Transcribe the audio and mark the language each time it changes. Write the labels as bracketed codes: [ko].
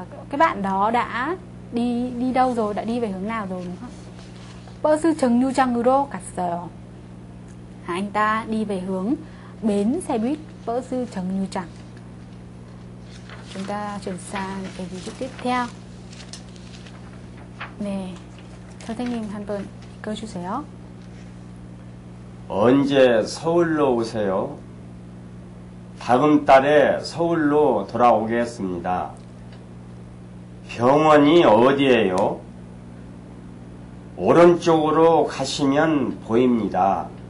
[vi] Cái bạn đó đã đi đâu rồi, đã đi về hướng nào rồi đúng không? [ko] 버스 정류장으로 갔어요. [vi] Anh ta đi về hướng bến xe buýt 버스 정류장. Chúng ta chuyển sang cái ví dụ tiếp theo. [ko] Nè, 선생님 한번 읽어주세요. 언제 서울로 오세요? 다음 달에 서울로 돌아오겠습니다. 병원이 어디예요? 오른쪽으로 가시면 보입니다.